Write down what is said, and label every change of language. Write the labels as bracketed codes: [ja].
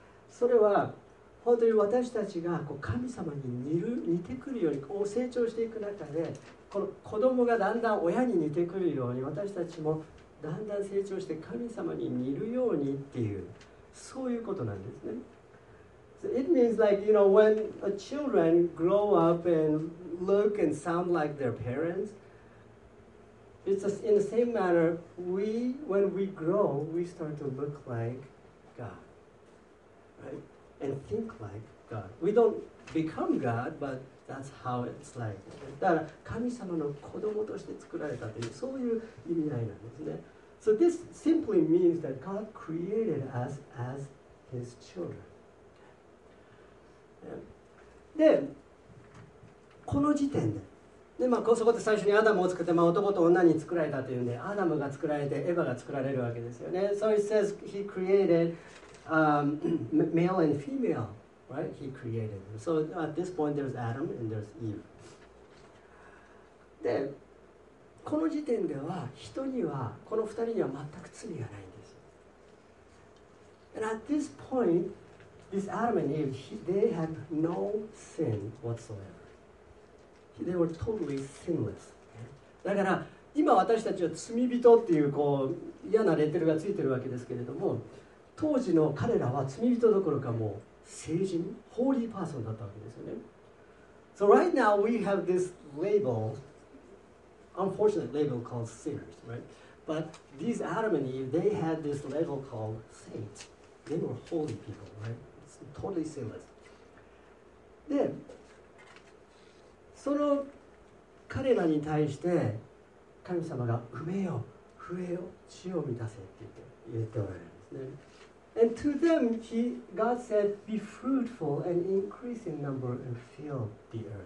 [ja] それは本当に私たちがこう神様に似てくるように、こう成長していく中で、この子供がだんだん親に似てくるように、私たちもだんだん成長して神様に似るようにっていう、そういうことなんですね。 [en] So、it means like, you know, when a children grow up and look and sound like their parents, it's just in the same manner, we, when we grow, we start to look like God, right? And think like God. We don't become God, but that's how it's like. [ja] だから神様の子供として作られたという、そういう意味合いなんですね。 [en] So this simply means that God created us as His children. [ja] で、この時点で、で、まあ、そこで最初にアダムを作って、まあ、男と女に作られたというんで、アダムが作られて、エヴァが作られるわけですよね。 [en] So it says He created male and female, right? He created them. So at this point, there's Adam and there's Eve. [ja] で、この時点では人にはこの二人には全く罪がないんです。 [en] And at this point, this Adam and Eve, they had no sin whatsoever. They were totally sinless. [ja] だから今私たちは罪人っていう、こう嫌なレッテルがついてるわけですけれども、当時の彼らは罪人どころかもう聖人、ホーリーパーソンだったわけですよね。 [en] So right now we have this label, unfortunate label called sinners, right? But these Adam and Eve, they had this label called saints. They were holy people, right? It's totally sinless. [ja] で、その彼らに対して神様が埋めよ、増えよ、地を満たせって言って、言っておられるんですね。 [en] And to them, he, God said, be fruitful and increase in number and fill the earth.